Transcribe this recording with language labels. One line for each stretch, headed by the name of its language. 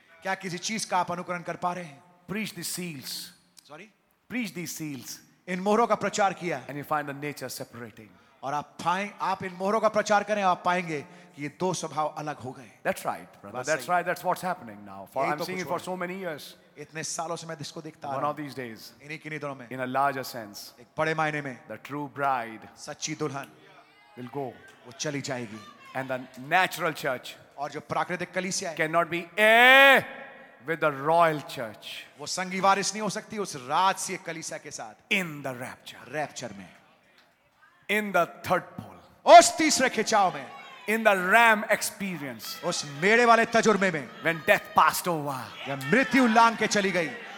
Hindi: क्या किसी चीज का आप अनुकरण कर पा रहे हैं?
English: Preach the seals. Sorry? Preach the seals.
Hindi: इन मोहरों का प्रचार किया.
English: And you find the nature separating.
Hindi: और आप पाएं, आप इन मोहरों का प्रचार करें, आप पाएंगे कि ये दो स्वभाव अलग हो गए.
English: That's right, brother. That's right. That's what's happening now. For I'm seeing it for so many years.
Hindi: इतने सालों से मैं इसको देखता हूँ.
English: One of these days.
Hindi: इन्हीं किन्हीं दिनों में.
English: In a larger sense.
Hindi: एक बड़े मायने में.
English: The true bride.
Hindi: सच्ची दुल्हन.
English: Will go.
Hindi: वो चली जाएगी.
English: And the natural church.
Hindi: और जो प्राकृतिक कलीसिया है.
English: Cannot be a with the royal church.
Hindi: वो संगी वारिस नहीं हो सकती उस राजसीय कलीसिया के साथ.
English: In the rapture.
Hindi: रैप्चर में.
English: In the third pole.
Hindi: उस तीसरे खिंचाव में.
English: In the ram experience.
Hindi: उस मेड़े वाले तजुर्मे में.
English: When death passed over.
Hindi: जब मृत्यु लांग के चली गई.